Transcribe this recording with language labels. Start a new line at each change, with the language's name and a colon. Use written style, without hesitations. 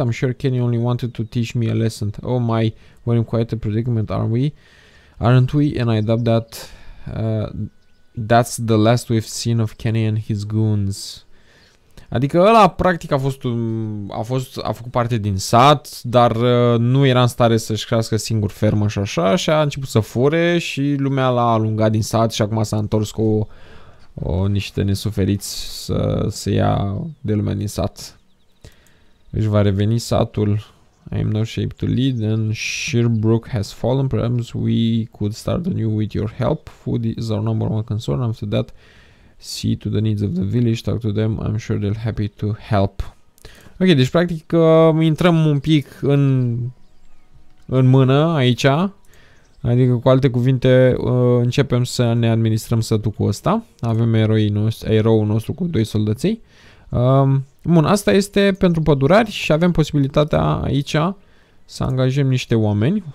English: I'm sure Kenny only wanted to teach me a lesson. Oh my, we're in quite a predicament, aren't we? Aren't we? And I doubt that that's the last we've seen of Kenny and his goons.
Romanian: Adică ăla practic a făcut parte din sat, dar nu era în stare să-și crească singur fermă și așa, și a început să fure și lumea l-a alungat din sat și acum s-a întors cu niște nesuferiți să ia de lumea din sat. Își va reveni satul.
English: I am no shape to lead and Sheerbrook has fallen. Perhaps we could start anew with your help. Food is our number one concern. After that, see to the needs of the village, talk to them, I'm sure they'll happy to help.
Romanian: Ok, deci practic intrăm un pic în mână aici. Adică cu alte cuvinte începem să ne administrăm sătul cu ăsta. Avem eroul nostru cu doi soldăței. Bun, asta este pentru pădurari și avem posibilitatea aici să angajăm niște oameni.